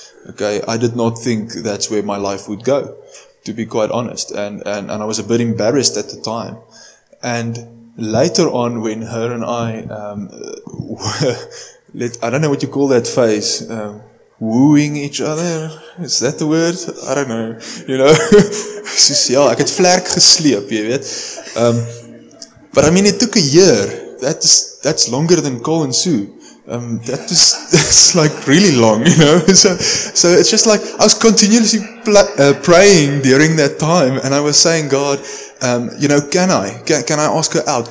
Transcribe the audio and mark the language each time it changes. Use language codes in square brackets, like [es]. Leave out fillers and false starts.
[en] Okay, I did not think that's where my life would go, to be quite honest. And I was a bit embarrassed at the time. And later on when her and I were... I don't know what you call that phase, wooing each other. Is that the word? I don't know. You know, [af] ek het vlerk gesleep, jy weet. [en] But I mean, it took a year. That's longer than Cole and Sue. That's like really long, you know? So it's just like, I was continuously praying during that time, and I was saying, God, you know, can I ask her out?